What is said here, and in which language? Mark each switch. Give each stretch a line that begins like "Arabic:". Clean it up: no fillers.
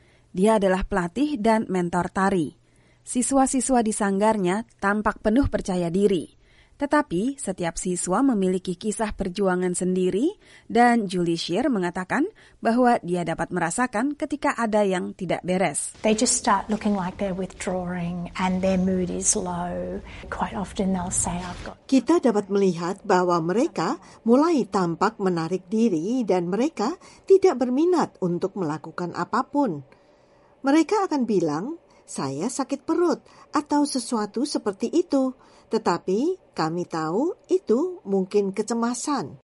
Indonesian: Dia adalah pelatih dan mentor tari. Siswa-siswa di sanggarnya tampak penuh percaya diri. Tetapi setiap siswa memiliki kisah perjuangan sendiri dan Julie Shear mengatakan bahwa dia dapat merasakan ketika ada yang tidak beres.
English: They just start looking like they're withdrawing and their mood is low. Quite often they'll say I've got.
Indonesian: Kita dapat melihat bahwa mereka mulai tampak menarik diri dan mereka tidak berminat untuk melakukan apapun. Mereka akan bilang, saya sakit perut atau sesuatu seperti itu. Tetapi kami tahu itu mungkin kecemasan.